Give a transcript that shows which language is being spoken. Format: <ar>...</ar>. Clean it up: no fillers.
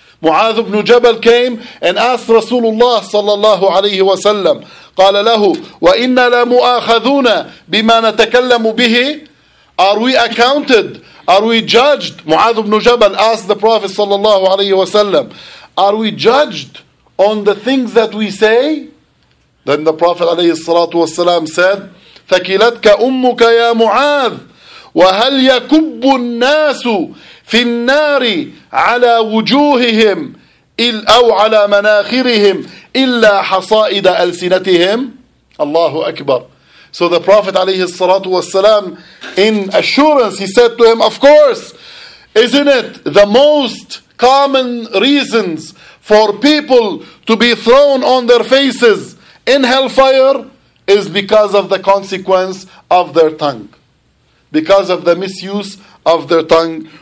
<en>Mu'adh ibn Jabal came and asked Rasulullah sallallahu alaihi wasallam,</en> <ar>qala lahu wa inna la mu'akhaduna bima natakallamu bihi.</ar> <en>Are we accounted? Are we judged? Mu'adh ibn Jabal asked the Prophet sallallahu alaihi wasallam, are we judged on the things that we say? Then the Prophet alayhi salatu wasalam said,</en> <ar>ثَكِلَتْكَ أُمُّكَ يَا مُعَاذُ وَهَلْ يَكُبُّ النَّاسُ فِي النَّارِ عَلَى وُجُوهِهِمْ أَوْ عَلَى مَنَاخِرِهِمْ إِلَّا حَصَائِدَ أَلْسِنَتِهِمْ. الله أكبر.</ar> <en>So the Prophet</en> <ar>عليه الصلاة والسلام,</ar> <en>in assurance, he said to him, of course, isn't it the most common reasons for people to be thrown on their faces in hellfire? Is because of the consequence of their tongue. Because of the misuse of their tongue.</en>